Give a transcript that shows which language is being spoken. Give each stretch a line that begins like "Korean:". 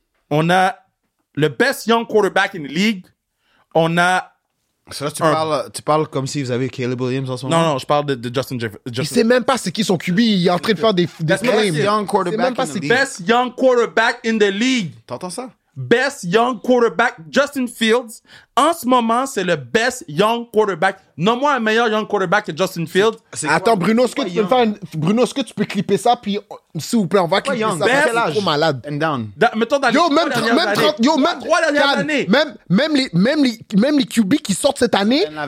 French: On a le
English: best young quarterback in the league.
French: On a... Ça, tu parles comme si vous avez Caleb Williams en ce moment? Non, je parle de Justin Jefferson. Il sait même pas c'est qui son QB. Il est en train de faire des
English: claims. Best young quarterback in the league.
French: T'entends ça?
English: Best young quarterback, Justin Fields.
French: En ce moment, c'est le
English: best young quarterback.
French: Nomme-moi un meilleur
English: young quarterback
French: que Justin Fields. Attends, Bruno, est-ce que tu peux faire... Bruno, est-ce que tu peux clipper ça? Puis, s'il vous plaît, on va clipper ça. C'est trop malade.
English: And down.
French: Mettons dans les trois dernières années. Même les QB qui sortent cette année...